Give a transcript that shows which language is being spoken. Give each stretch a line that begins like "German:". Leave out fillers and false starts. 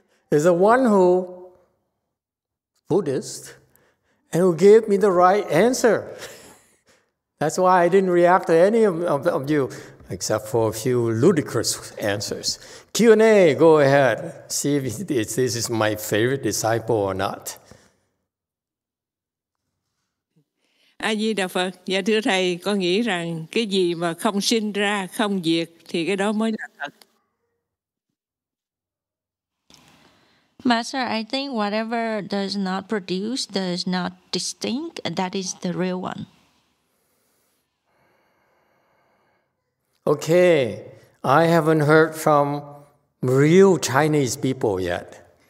English: There's the one who, Buddhist, and who gave me the right answer. That's why I didn't react to any of you, except for a few ludicrous answers. Q&A, go ahead. See if this is my favorite disciple or not.
Vietnamese: A Di Đà Phật, dạ thưa thầy, con nghĩ rằng cái gì mà không sinh ra, không diệt thì cái đó mới là thật.
English: Master, I think whatever does not produce, does not distinct, that is the real one. Okay, I haven't heard from real Chinese people yet.